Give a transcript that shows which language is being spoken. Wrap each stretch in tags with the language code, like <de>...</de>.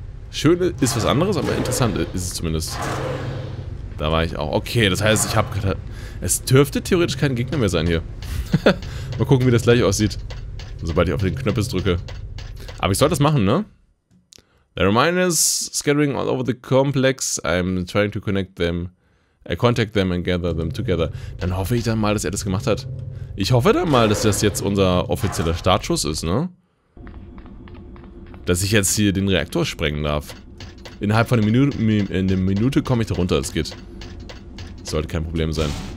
<de>Schön ist was anderes, aber interessant ist es zumindest. Da war ich auch. Okay, das heißt, ich habe gerade... Es dürfte theoretisch kein Gegner mehr sein hier. Mal gucken, wie das gleich aussieht. Sobald ich auf den Knöppel drücke. Aber ich soll das machen, ne?</de> <en>The Reminders scattering all over the complex. I'm trying to connect them. Contact them and gather them together.</en> <de>Dann hoffe ich dann mal, dass er das gemacht hat. Ich hoffe dann mal, dass das jetzt unser offizieller Startschuss ist, ne? Dass ich jetzt hier den Reaktor sprengen darf. Innerhalb von einer Minute komme ich da runter, es geht. Das sollte kein Problem sein.</de>